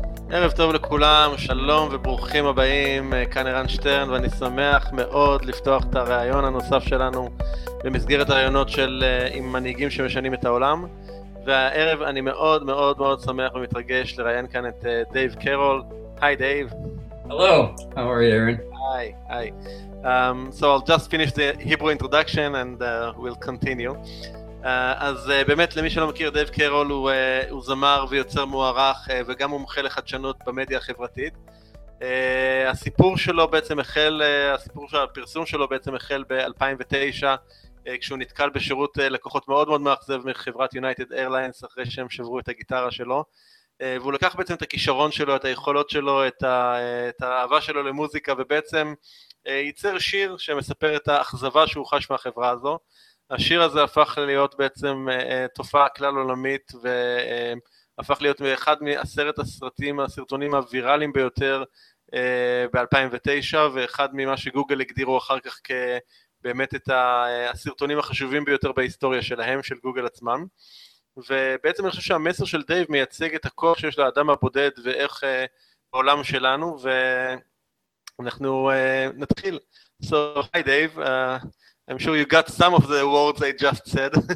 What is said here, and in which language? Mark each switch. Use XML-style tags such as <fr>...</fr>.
<he>ערב טוב לכולם, שלום וברוכים הבאים, כאן ערן שטרן, ואני שמח מאוד לפתוח את הרעיון הנוסף שלנו במסגרת הרעיונות של עם מנהיגים שמשנים את העולם. והערב אני מאוד מאוד מאוד שמח ומתרגש לראיין כאן את דייב קרול. היי דייב.</he> <en>Hello, how are you, Aaron? Hi, hi. So I'll just finish the Hebrew introduction and we'll continue.</en> <he>אז באמת למי שלא מכיר, דייב קרול הוא זמר ויוצר מוערך וגם מומחה לחדשנות במדיה החברתית. הסיפור שלו בעצם החל, הסיפור של הפרסום שלו בעצם החל ב-2009, כשהוא נתקל בשירות לקוחות מאוד מאוד מאכזב מחברת United Airlines אחרי שהם שברו את הגיטרה שלו. והוא לקח בעצם את הכישרון שלו, את היכולות שלו, את האהבה שלו למוזיקה, ובעצם ייצר שיר שמספר את האכזבה שהוא חש מהחברה הזו. השיר הזה הפך להיות בעצם תופעה כלל עולמית, והפך להיות אחד מעשרת הסרטונים הוויראליים ביותר ב-2009, ואחד ממה שגוגל הגדירו אחר כך כבאמת את הסרטונים החשובים ביותר בהיסטוריה שלהם, של גוגל עצמם. ובעצם אני חושב שהמסר של דייב מייצג את הכוח שיש לאדם הבודד ואיך בעולם שלנו, ואנחנו נתחיל.</he> <en>So, hi Dave. I'm sure you got some of the words I just said.</en>